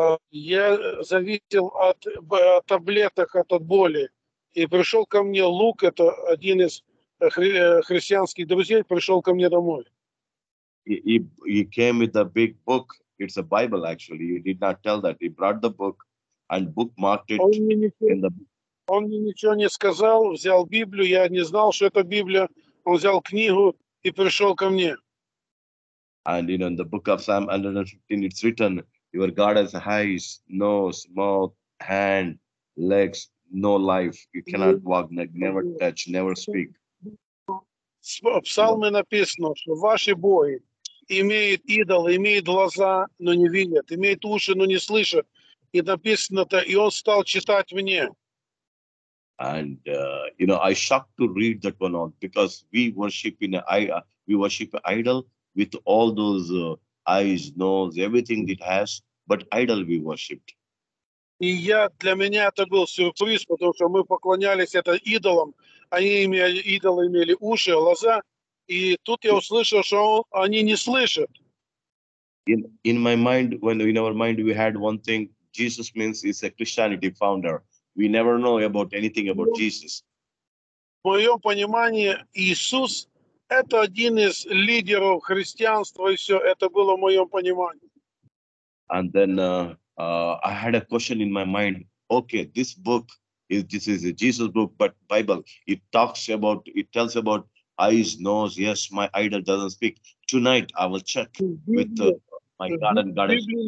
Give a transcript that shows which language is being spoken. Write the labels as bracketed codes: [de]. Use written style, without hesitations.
[ru] Я зависел от таблеток, от боли, и пришел ко мне Лук, это один из христианских друзей, пришел ко мне домой. [en] He came with a big book. It's a Bible, actually. He did not tell that. He brought the book and bookmarked it in the book. [ru] Он мне ничего не сказал, взял Библию, я не знал, что это Библия. Он взял книгу и пришел ко мне. [en] And you know, in the book of Psalm 115, it's written, your God has eyes, nose, mouth, hand, legs, no life. You cannot walk, never touch, never speak. [ru] В Псалме написано, что ваши боги имеют идол, имеют глаза, но не видят, имеют уши, но не слышат. И написано это, и он стал читать мне. [en] And you know, I shocked to read that one out, because we worship an idol with all those eyes, nose, everything it has, but idol we worshipped. [ru] И я, для меня это был сюрприз, потому что мы поклонялись это идолам. Они имели идолы, имели уши, глаза, и тут я услышал, что они не слышат. [en] In my mind, when in our mind we had one thing, Jesus means is a Christianity founder. We never know about anything about Jesus. [ru] В моем понимании, Иисус – это один из лидеров христианства, и все, это было в моем понимании. [en] And then I had a question in my mind. Okay, this is a Jesus book, but Bible, it tells about eyes, nose, yes, my idol doesn't speak. Tonight, I will check with my God and Goddess.